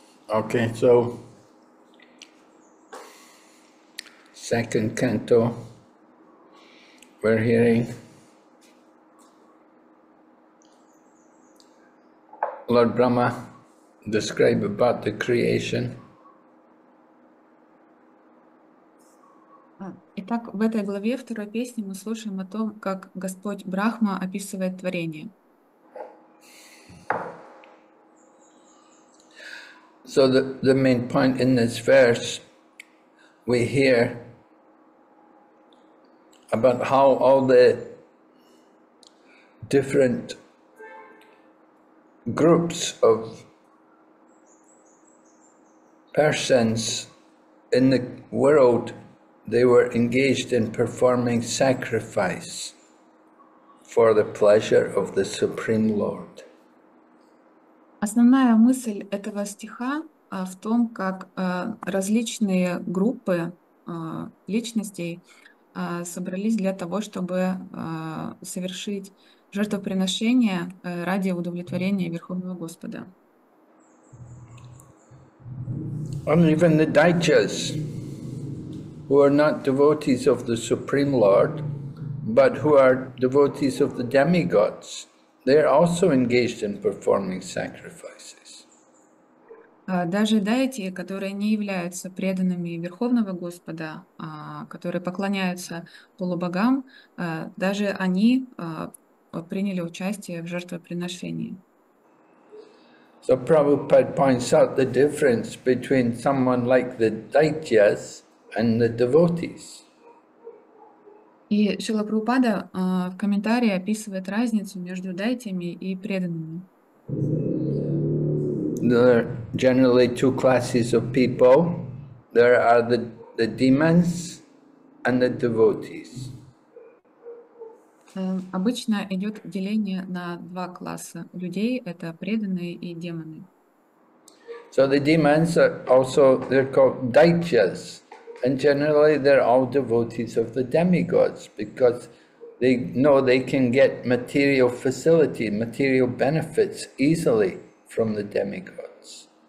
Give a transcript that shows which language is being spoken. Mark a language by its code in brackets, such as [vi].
[en] Okay, so second canto, we're hearing Lord Brahma describe about the creation. [ru] Итак, в этой главе второй песни мы слушаем о том, как Господь Брахма описывает творение. [en] So the main point in this verse, we hear about how all the different groups of persons in the world, they were engaged in performing sacrifice for the pleasure of the Supreme Lord. [ru] Основная мысль этого стиха в том, как различные группы личностей собрались для того, чтобы совершить жертвоприношение ради удовлетворения Верховного Господа. [en] And even the daityas, who are not devotees of the Supreme Lord, but who are devotees of the demigods, they're also engaged in performing sacrifices. [ru] Даже дайте, которые не являются преданными Верховного Господа, которые поклоняются полубогам, даже они приняли участие в жертвоприношении. [en] So Prabhupada points out the difference between someone like the daityas and the devotees. [ru] И Шрила Прабхупада в комментарии описывает разницу между дайтями и преданными. [en] There are generally two classes of people. There are the demons and the devotees. [ru] Обычно идет деление на два класса людей. Это преданные и демоны. [en] So the demons are also, they're called daityas, and generally they're all devotees of the demigods because they know they can get material facility, material benefits easily from the demigods.